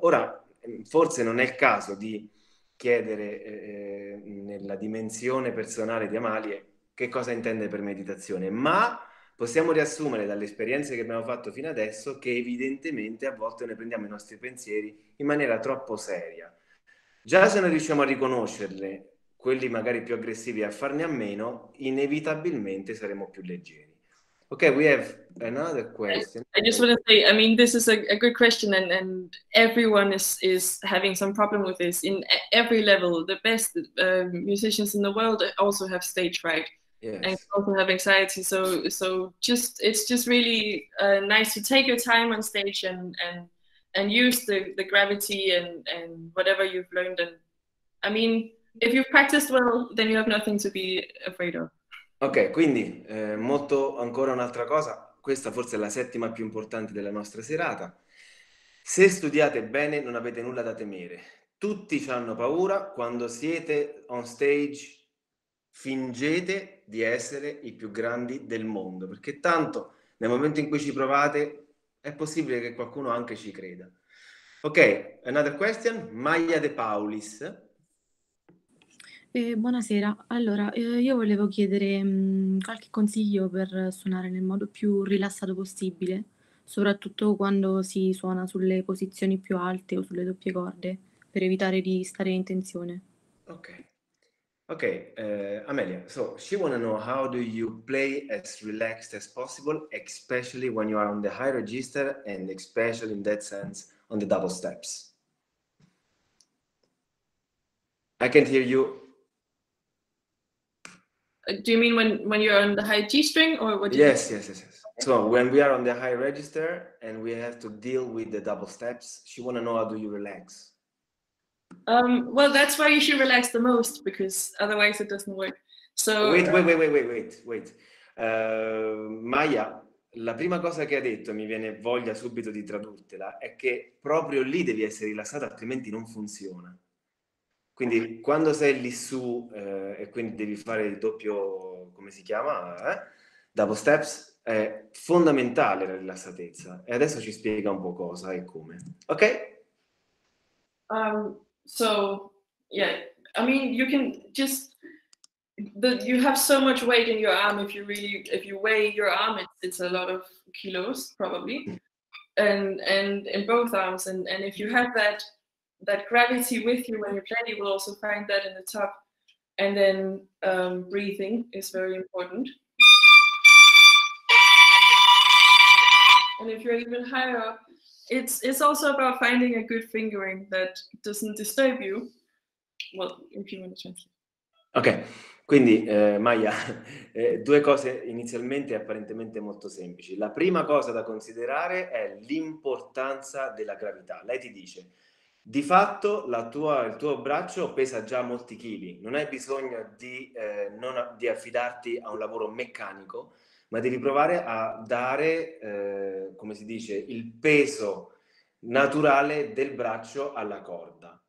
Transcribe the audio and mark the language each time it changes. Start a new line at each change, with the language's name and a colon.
Italian: Ora, forse non è il caso di chiedere nella dimensione personale di Amalie che cosa intende per meditazione, ma possiamo riassumere dalle esperienze che abbiamo fatto fino adesso che evidentemente a volte ne prendiamo i nostri pensieri in maniera troppo seria. Già se non riusciamo a riconoscerle, quelli magari più aggressivi, a farne a meno, inevitabilmente saremo più leggeri.
English: Ok, we have another question. I just want to say, I mean, this is a good question, and everyone is having some problem with this in every level. The best musicians in the world also have stage fright, yes, and also have anxiety. So just it's just really nice to take your time on stage and use the gravity and whatever you've learned. And I mean, if you've practiced well, then you have nothing to be afraid of.
Italian: Ok, quindi molto ancora un'altra cosa, questa forse è la settima più importante della nostra serata. Se studiate bene non avete nulla da temere, tutti hanno paura, quando siete
English: on stage
Italian: fingete di essere i più grandi del mondo, perché tanto nel momento in cui ci provate è possibile che qualcuno anche ci creda.
English: Ok, another question, Maya De Paulis.
Italian: Buonasera, allora io volevo chiedere qualche consiglio per suonare nel modo più rilassato possibile, soprattutto quando si suona sulle posizioni più alte o sulle doppie corde, per evitare di stare in tensione.
English: Ok, okay. Amelia, so she wanna know how do you play as relaxed as possible, especially when you are on the high register and especially in that sense on the double steps. I can't hear you. Do you mean when you're on the high G string or what? Yes. So when we are on the high register and we have to deal with the double steps, she want to know how do you relax? Well, that's why you should relax the most, because otherwise it doesn't work. So wait.
Italian: Maya, la prima cosa che ha detto, mi viene voglia subito di tradurtela, è che proprio lì devi essere rilassata, altrimenti non funziona. Quindi quando sei lì su e quindi devi fare il doppio, come si chiama,
English: double steps,
Italian: è fondamentale la rilassatezza. E adesso ci spiega un po' cosa e come. Ok?
English: So, yeah, I mean, you can just, you have so much weight in your arm, if you weigh your arm, it's a lot of kilos, probably, and in both arms, and if you have that gravity with you when you're playing, you will also find that in the top, and then breathing is very important. And if you're even higher up, it's also about finding a good fingering that doesn't disturb you. Well, if you want to translate.
Italian: Ok, quindi Maya, due cose inizialmente apparentemente molto semplici. La prima cosa da considerare è l'importanza della gravità. Lei ti dice, di fatto il tuo braccio pesa già molti chili, non hai bisogno di affidarti a un lavoro meccanico, ma devi provare a dare, come si dice, il peso naturale del braccio alla corda.